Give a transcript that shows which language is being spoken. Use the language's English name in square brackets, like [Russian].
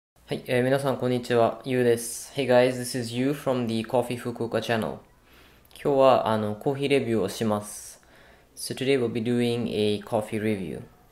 [Japanese] はい、皆さんこんにちは、ゆうです。 [English] Hey guys, this is you from the Coffee Fukuoka channel. [Japanese] 今日はコーヒーレビューをします。 [English] So today we'll be doing a coffee review.